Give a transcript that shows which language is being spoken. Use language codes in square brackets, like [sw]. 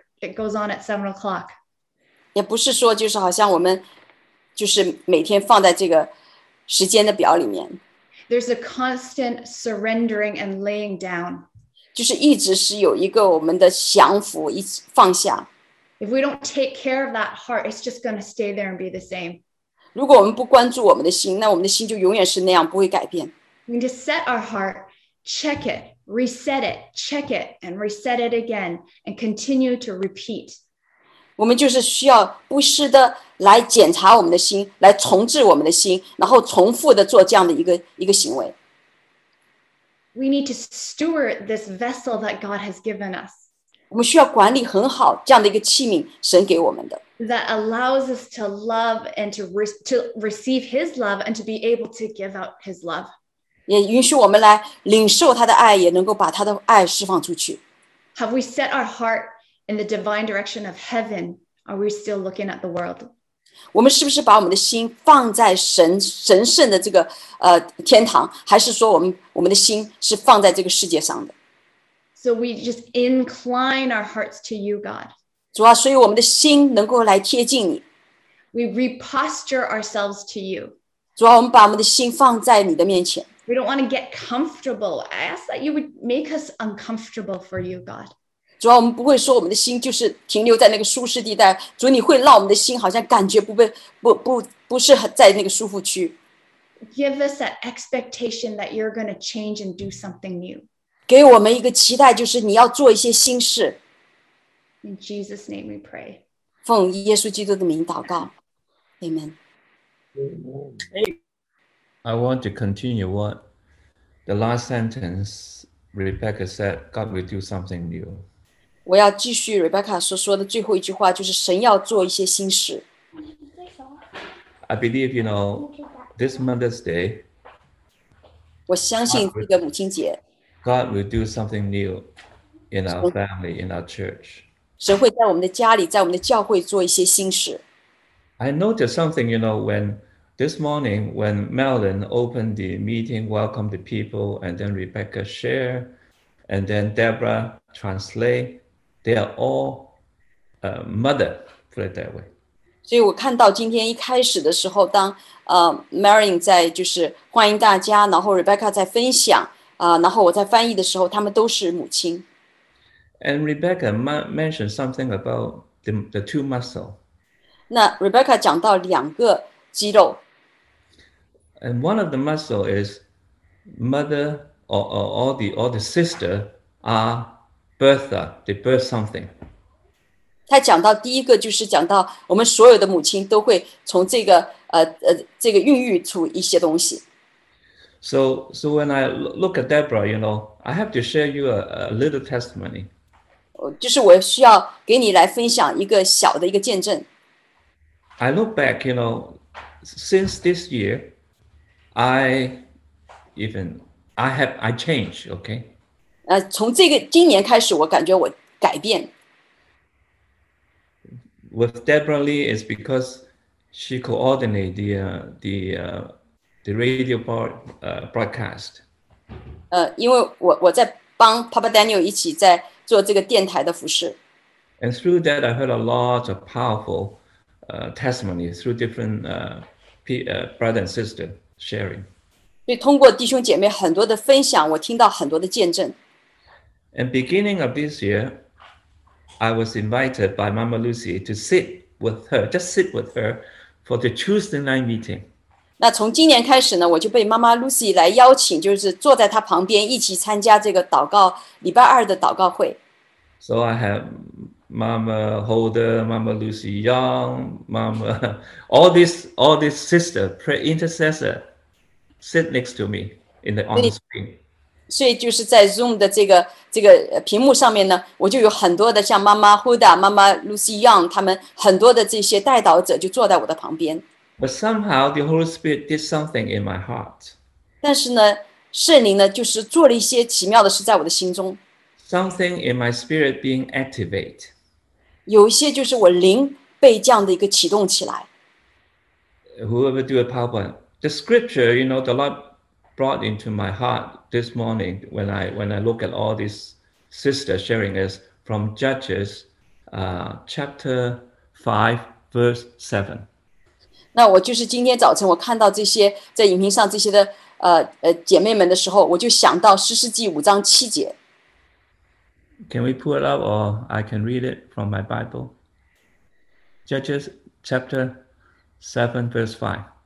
[en] It goes on at 7 o'clock. [zh] 也不是说就是好像我们就是每天放在这个时间的表里面。 [en] There's a constant surrendering and laying down. [zh] 就是一直是有一个我们的降服，一放下。 [en] If we don't take care of that heart, it's just going to stay there and be the same. [zh] 如果我们不关注我们的心，那我们的心就永远是那样，不会改变。 [en] We need to set our heart, check it, reset it, check it, and reset it again, and continue to repeat. [zh] 我们就是需要不时的来检查我们的心，来重置我们的心，然后重复的做这样的一个行为。 [en] We need to steward this vessel that God has given us. [zh] 我们需要管理很好这样的一个器皿，神给我们的。 [en] That allows us to love and to receive His love and to be able to give out His love. [zh] 也允许我们来领受他的爱，也能够把他的爱释放出去。 [en] Have we set our heart in the divine direction of heaven? Are we still looking at the world? [zh] 我们是不是把我们的心放在神圣的这个天堂，还是说我们的心是放在这个世界上的？ [en] So we just incline our hearts to you, God. [zh] 主啊，所以我们的心能够来贴近你。 [en] We reposture ourselves to you. [zh] 主啊，我们把我们的心放在你的面前。 [en] We don't want to get comfortable. I ask that you would make us uncomfortable for you, God. [zh] 主要我们不会说我们的心就是停留在那个舒适地带，主要你会让我们的心好像感觉 不是在那个舒服区。 [en] Give us that expectation that you're going to change and do something new. [zh] 给我们一个期待，就是你要做一些新事。 [en] In Jesus' name we pray. [zh] 奉耶稣基督的名祷告。Amen. [en] I want to continue what the last sentence Rebecca said, God will do something new. [zh] 我要继续 Rebecca 所说的最后一句话，就是神要做一些新事。 [en] I believe, you know, this Mother's Day, [zh] 我相信这个母亲节, [en] God will do something new in our family, in our church. [zh] 神会在我们的家里，在我们的教会做一些新事。 [en] I noticed something, you know, when this morning, when Melon opened the meeting, welcomed the people, and then Rebecca shared, and then Deborah translate, they are all mother, put it that way. [zh] 所以我看到今天一开始的时候，当Marin 在就是欢迎大家，然后 Rebecca 在分享，然后我在翻译的时候，他们都是母亲。 [en] And Rebecca mentioned something about the two muscles. [zh] 那 Rebecca 讲到两个肌肉。 [en] And one of the muscles is mother or all the sister are birther, they birth something. [zh] 他讲到第一个就是讲到我们所有的母亲都会从这个这个孕育出一些东西。 [en] So when I look at Deborah, you know, I have to share you a little testimony. [zh] 就是我需要给你来分享一个小的一个见证。 [en] I look back, you know, since this year, I change, okay? [zh] 从这个今年开始我感觉我改变。 [en] With Deborah Lee is because she coordinated the radio broadcast. [zh] 因为我在帮 Papa Daniel 一起在做这个电台的服事。 [en] And through that, I heard a lot of powerful testimonies through different brother and sister sharing. [zh] 所以通过弟兄姐妹很多的分享，我听到很多的见证。 [en] And beginning of this year,I was invited by Mama Lucy to sit with her, just sit with her for the Tuesday night meeting. [zh] 那从今年开始呢，我就被 Mama Lucy 来邀请，就是坐在她旁边一起参加这个祷告，礼拜二的祷告会。 [en] So I have Mama Holder, Mama Lucy Young, Mama, all these sisters, prayer intercessor, sit next to me in the on the screen. [zh] 所以就是在 Zoom 的这个屏幕上面呢，我就有很多的像妈妈 Huda、妈妈 Lucy Young 他们很多的这些代祷者就坐在我的旁边。 [en] But somehow the Holy Spirit did something in my heart. [zh] 但是呢，圣灵呢就是做了一些奇妙的事在我的心中。 [en] Something in my spirit being activated. [zh] 有一些就是我灵被这样的一个启动起来。 [en] Whoever do a PowerPoint, the scripture, you know, the Lord brought into my heart. This morning, when I look at all these sisters sharing this from Judges, chapter 5, verse 7. [zh] 那我就是今天早晨我看到这些在影片上这些的姐妹们的时候，我就想到诗诗记五章七节。 [en] Can we pull it up, or I can read it from my Bible? Judges chapter 7, verse 5.